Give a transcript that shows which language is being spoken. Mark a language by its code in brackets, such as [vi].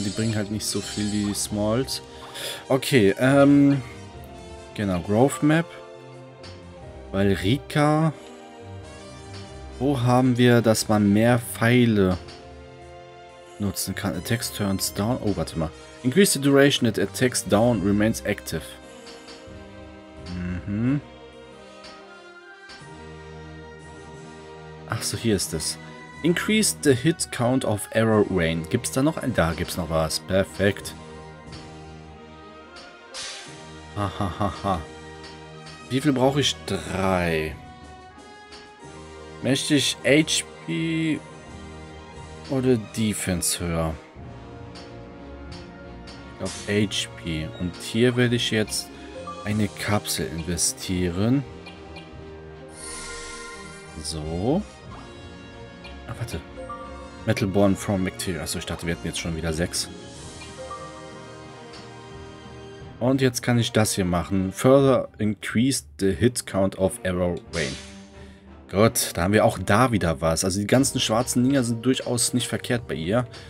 [de] Die bringen halt nicht so viel, die Smalls. Okay. Genau. Growth Map. Weil Rika. Wo haben wir, dass man mehr Pfeile nutzen kann? [en] Attacks turns down. Oh, warte mal. Increase the duration that attacks down remains active. Mhm. Ach so, hier ist es. Increase the hit count of arrow rain. [de] Gibt's da noch ein? Da gibt's noch was. Perfekt. Hahaha. Wie viel brauche ich? 3. Möchte ich HP oder Defense höher? Auf HP. Und hier werde ich jetzt eine Kapsel investieren. So. Ah, warte. Metalborn from Mactir. Achso, ich dachte, wir hätten jetzt schon wieder 6. Und jetzt kann ich das hier machen. [en] Further increased the hit count of Arrow Rain. [de] Gut, da haben wir auch da wieder was. Also die ganzen schwarzen Dinger sind durchaus nicht verkehrt bei ihr.